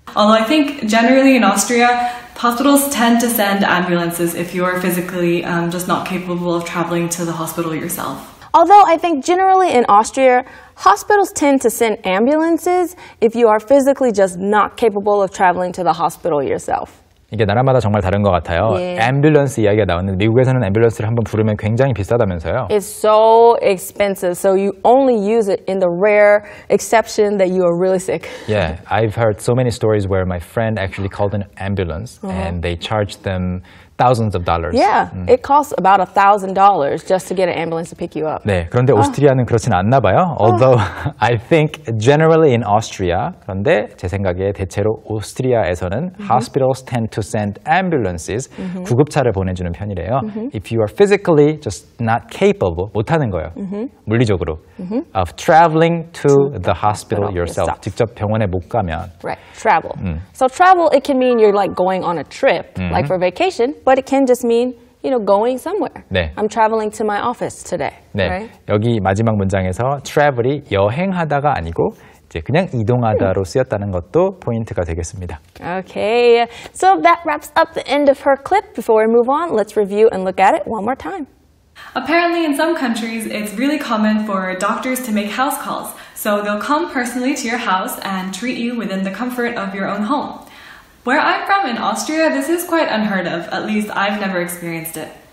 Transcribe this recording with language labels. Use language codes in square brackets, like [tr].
[en] Although I think generally in Austria, hospitals tend to send ambulances if you are physically just not capable of traveling to the hospital yourself. Although I think generally in Austria, hospitals tend to send ambulances if you are physically just not capable of traveling to the hospital yourself. [ko] 이게 나라마다 정말 다른 것 같아요. 예. 앰뷸런스 이야기가 나왔는데 미국에서는 앰뷸런스를 한번 부르면 굉장히 비싸다면서요. [en] It's so expensive. So you only use it in the rare exception that you are really sick. Yeah, I've heard so many stories where my friend actually called an ambulance uh-huh. and they charged them thousands of dollars. Yeah, it costs about $1,000 just to get an ambulance to pick you up. [ko] 네, 그런데 오스트리아는 그렇진 않나 봐요. [en] Although I think generally in Austria, [ko] 그런데 제 생각에 대체로 오스트리아에서는 [en] mm-hmm. hospitals tend to send ambulances, mm-hmm. [ko] 구급차를 보내주는 편이래요. [en] Mm-hmm. If you are physically just not capable, [ko] 못하는 거예요. [en] Mm-hmm. [ko] 물리적으로. [en] Mm-hmm. Of traveling to the hospital yourself. [ko] 직접 병원에 못 가면. [en] Right, travel. So travel, it can mean you're like going on a trip, mm-hmm. like for vacation. But it can just mean, you know, going somewhere. [ko] 네. [en] I'm traveling to my office today. [ko] 네. [en] Right? [ko] 여기 마지막 문장에서 travel이 여행하다가 아니고 이제 그냥 이동하다로 쓰였다는 것도 포인트가 되겠습니다. [en] Okay. So that wraps up the end of her clip. Before we move on, let's review and look at it one more time. Apparently in some countries, it's really common for doctors to make house calls. So they'll come personally to your house and treat you within the comfort of your own home. Where I'm from in Austria, this is quite unheard of. At least I've never experienced it.